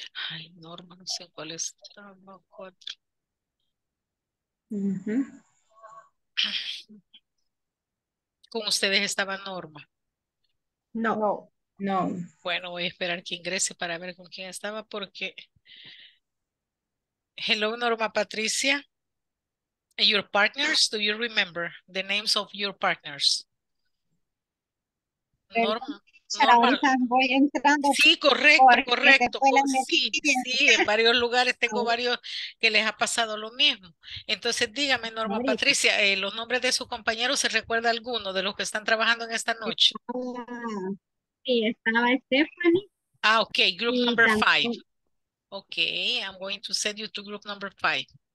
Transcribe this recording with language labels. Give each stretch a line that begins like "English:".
Spanish: Ay, Norma, no sé cuál es. Norma 4. ¿Con ustedes estaba Norma? No. Bueno, voy a esperar que ingrese para ver con quién estaba porque...
English: Hello, Norma Patricia. Your partners, do you remember the names of your partners? Norma.
Spanish: Sí, correcto. Sí, en varios lugares tengo varios que les ha pasado lo mismo. Entonces, dígame, Norma Patricia, los nombres de sus compañeros, ¿se recuerda alguno de los que están trabajando en esta noche? Sí, estaba Stephanie.
English: Ah, ok, group number 5. Ok, I'm going to send you to group number 5.